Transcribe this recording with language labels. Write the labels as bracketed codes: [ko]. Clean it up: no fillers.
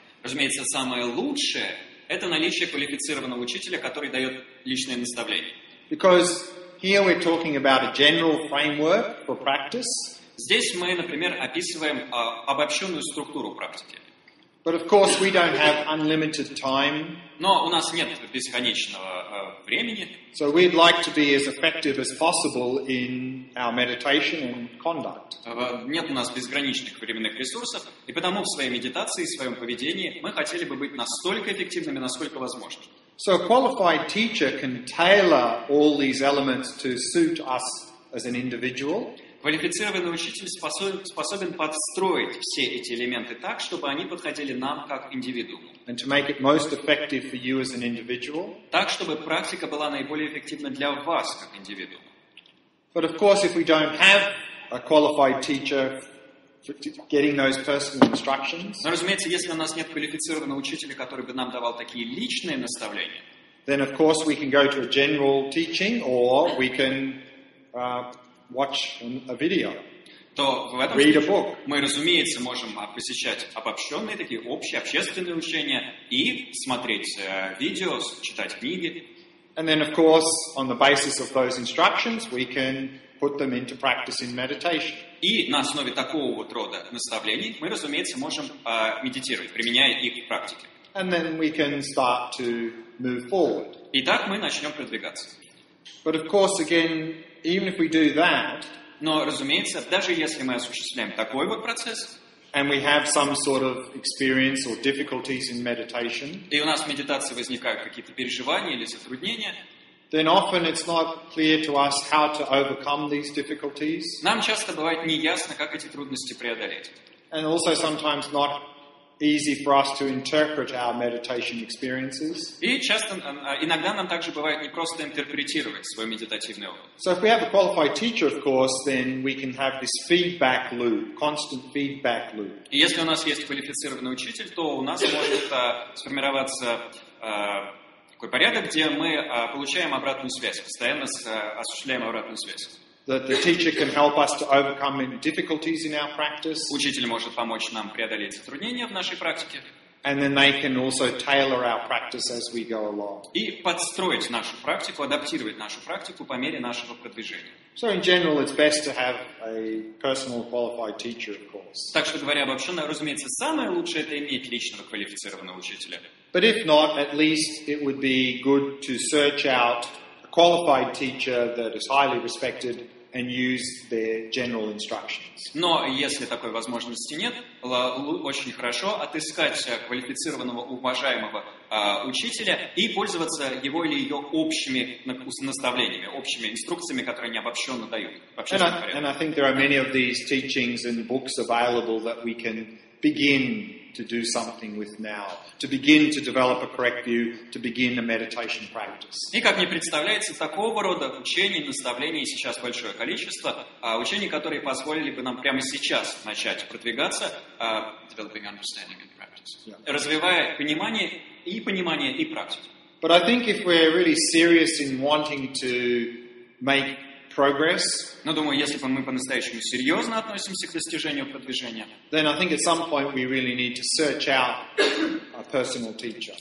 [ru] Разумеется, самое лучшее — это наличие квалифицированного учителя, который дает личное наставление. [en] Because here we're talking about a general framework for practice. [ru] Здесь мы, например, описываем обобщенную структуру практики. [en] But of course we don't have unlimited time. [ru] Но у нас нет бесконечного времени. [en] So we'd like to be as effective as possible in our meditation and conduct. [ru] Нет у нас безграничных временных ресурсов, и потому в своей медитации и в своем поведении мы хотели бы быть настолько эффективными, насколько возможно. [en] So a qualified teacher can tailor all these elements to suit us as an individual. [ru] Квалифицированный учитель способен подстроить все эти элементы так, чтобы они подходили нам как индивидууму. [en] And to make it most effective for you as an individual. [ru] Так, чтобы практика была наиболее эффективна для вас как индивидуума. [en] But of course, if we don't have a qualified teacher getting those personal instructions. [ru] Но, разумеется, если у нас нет квалифицированного учителя, который бы нам давал такие личные наставления, [en] then of course we can go to a general teaching or we can watch a video. [ru] То в этом случае мы, разумеется, можем посещать обобщенные такие общие общественные учения и смотреть видео, читать книги. [en] And then, of course, on the basis of those instructions, we can put them into practice in meditation. [ru] И на основе такого вот рода наставлений мы, разумеется, можем медитировать, применяя их в практике. [en] And then we can start to move forward. [ru] И так мы начнем продвигаться. [en] But of course, again, even if we do that, [ru] но, разумеется, даже если мы осуществляем такой вот процесс, [en] and we have some sort of experience or difficulties in meditation, [ru] и у нас в медитации возникают какие-то переживания или затруднения, [en] then often it's not clear to us how to overcome these difficulties. [ru] Нам часто бывает неясно, как эти трудности преодолеть. [en] And also sometimes not easy for us to interpret our meditation experiences. [ru] И часто, иногда нам также бывает непросто интерпретировать свой медитативный опыт. [en] So if we have a qualified teacher, of course, then we can have this feedback loop, constant feedback loop. [ru] И если у нас есть квалифицированный учитель, то у нас может сформироваться такой порядок, где мы получаем обратную связь, постоянно осуществляем обратную связь. [en] That the teacher can help us to overcome any difficulties in our practice. [ru] Учитель может помочь нам преодолеть затруднения в нашей практике. [en] And then they can also tailor our practice as we go along. [ru] И подстроить нашу практику, адаптировать нашу практику по мере нашего продвижения. [en] So in general, it's best to have a personal qualified teacher, of course. [ru] Так что говоря вообще, разумеется, самое лучшее это иметь личного квалифицированного учителя. [en] But if not, at least it would be good to search out qualified teacher that is highly respected and use their general instructions. [ru] Но если такой возможности нет, очень хорошо отыскать квалифицированного уважаемого учителя и пользоваться его или ее общими наставлениями, общими инструкциями, которые они обобщенно дают. [en] And I think there are many of these teachings and books available that we can begin to do something with now, to begin to develop a correct view, to begin a meditation practice. [ru] И как мне представляется, такого рода учений, наставлений сейчас большое количество, учений, которые позволили бы нам прямо сейчас начать продвигаться, [en] developing understanding and practice. [ru] Развивая понимание и понимание и практику. [en] But I think if we're really serious in wanting to make progress. [ru] Но думаю, если бы мы по-настоящему серьезно относимся к достижению продвижения, [en] then I think at some point we really need to search out a personal teacher.